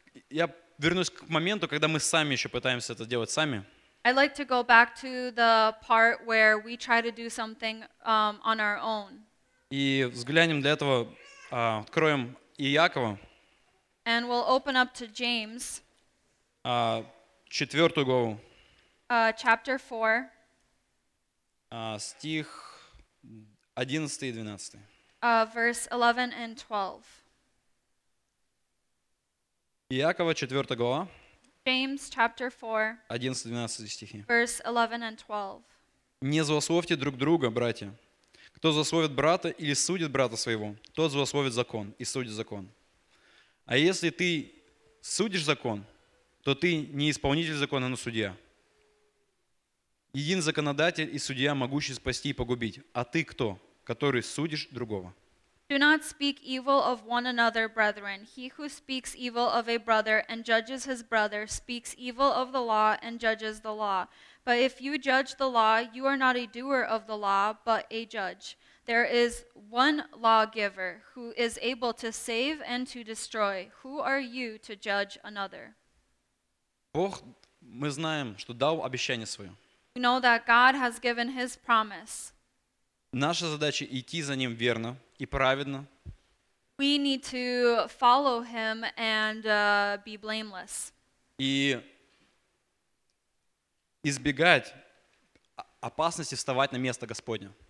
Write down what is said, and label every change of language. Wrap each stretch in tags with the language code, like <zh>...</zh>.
<ru>Я вернусь к моменту, когда мы сами еще пытаемся это делать сами.</ru> <en>I'd like to go back to the part where we try to do something on our own.</en> <ru>И взглянем для этого, откроем Иакова.</ru> <en>And we'll open up to James.</en> <ru>Четвертую главу.</ru> <en>Chapter 4.</en> <ru>Стих 11 и 12.</ru> <en>Verse 11 and 12.</en> <ru>Иакова, четвертая глава.</ru> <en>James chapter 4.</en> <ru>11-12 стихи.</ru> <en>Verse 11 and 12.</en> <ru>Не злословьте друг друга, братья. Кто злословит брата или судит брата своего, тот злословит закон и судит закон. А если ты судишь закон, то ты не исполнитель закона, но судья. Един законодатель и судья, могущий спасти и погубить. А ты кто, который судишь другого?</ru> <en>Do not speak evil of one another, brethren. He who speaks evil of a brother and judges his brother speaks evil of the law and judges the law. But if you judge the law, you are not a doer of the law, but a judge. There is one lawgiver who is able to save and to destroy. Who are you to judge another?</en> <ru>Бог, мы знаем, что дал обещание свое.</ru> <en>We know that God has given his promise.</en> <ru>Наша задача идти за ним верно. И праведно.</ru> <en>We need to follow him and be blameless.</en> <ru>И избегать опасности вставать на место Господня.</ru>